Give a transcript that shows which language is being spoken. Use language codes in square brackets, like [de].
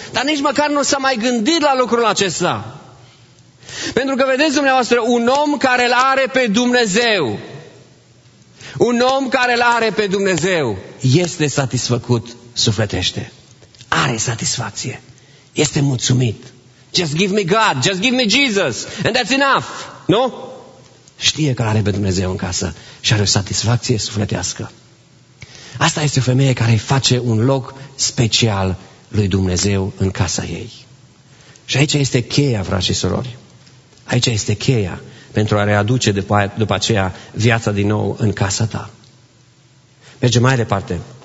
[ro] Dar nici măcar nu s-a mai gândit la lucrul acesta. Pentru că, vedeți dumneavoastră, un om care îl are pe Dumnezeu, un om care îl are pe Dumnezeu, este satisfăcut sufletește. Are satisfacție. Este mulțumit. [en] Just give me God, just give me Jesus, and that's enough, nu? [ro] Știe că are pe Dumnezeu în casă și are o satisfacție sufletească. Asta este o femeie care îi face un loc special lui Dumnezeu în casa ei. Și aici este cheia, frați și surori. Aici este cheia pentru a readuce după aceea viața din nou în casa ta. Mergem mai departe.